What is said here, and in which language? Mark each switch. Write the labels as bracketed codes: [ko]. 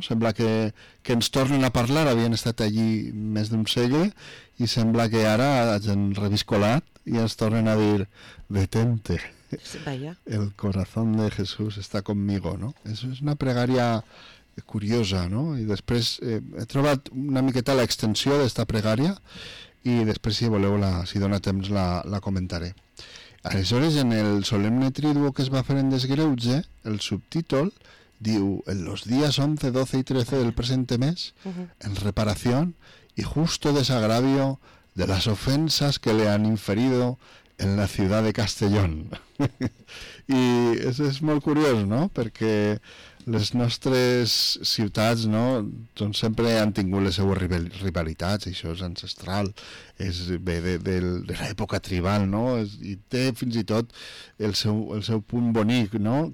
[ca] Sembla que ens tornen a parlar, havien estat allí més d'un segle, i sembla que ara hagin reviscolat i ens tornen a dir, detente. [es] Vaya. El corazón de Jesús está conmigo, no? [ca] Això és una pregària curiosa, no? I després he trobat una miqueta l'extensió d'esta pregària i després, si voleu, si dona temps, la comentaré. Aleshores, en el solemne triduo que es va fer en Desgreuge, el subtítol diu, [es] en los días 11, 12 y 13 del presente mes, en reparación y justo desagravio de las ofensas que le han inferido en la ciudad de Castellón. [ca] I això és molt curiós, no? Perquè les nostres ciutats, no? Doncs sempre han tingut les seues rivalitats, això és ancestral, és bé de l'època tribal, no? I té fins i tot el seu punt bonic, no?